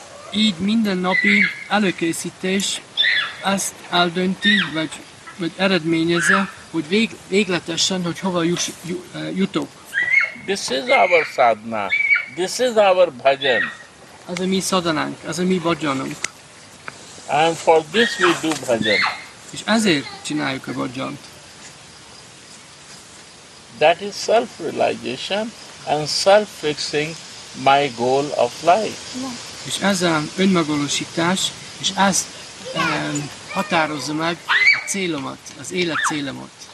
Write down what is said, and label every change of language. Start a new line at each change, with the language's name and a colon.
Hungarian: Így minden napi előkészítés azt eldönti, vagy eredményezze, hogy végletesen, hogy hova jutok.
English: This is our sadhana. This is our bhajan.
Hungarian: Ez a mi szadanánk, ez a mi bhajanunk.
English: And for this we do bhajan.
Hungarian: És ezért csináljuk a bhajant.
English: That is self-realization and self-fixing my goal of life.
Hungarian: És ez az önmegvalósítás, és ez határozza meg a célomat, az élet célomat.